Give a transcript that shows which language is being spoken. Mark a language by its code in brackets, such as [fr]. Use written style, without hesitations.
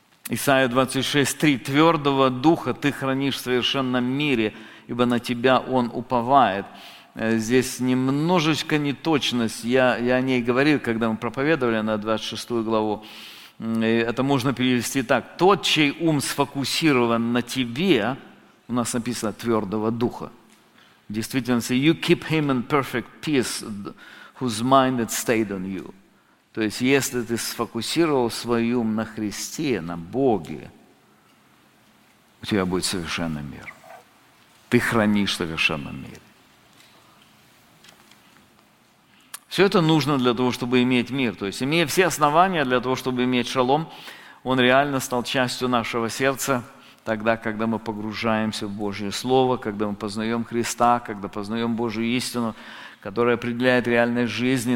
[ru] Исайя 26:3. «Твердого духа ты хранишь в совершенном мире, ибо на тебя он уповает». Здесь немножечко неточность. Я о ней говорил, когда мы проповедовали на 26 главу. Это можно перевести так. «Тот, чей ум сфокусирован на тебе», у нас написано «твердого духа». В действительности, [en] «you keep him in perfect peace, whose mind had stayed on you». [ru] То есть, если ты сфокусировал свой ум на Христе, на Боге, у тебя будет совершенный мир. Ты хранишь совершенный мир. Все это нужно для того, чтобы иметь мир. То есть, имея все основания для того, чтобы иметь шалом, он реально стал частью нашего сердца тогда, когда мы погружаемся в Божье Слово, когда мы познаем Христа, когда познаем Божью истину, которая определяет реальность жизни.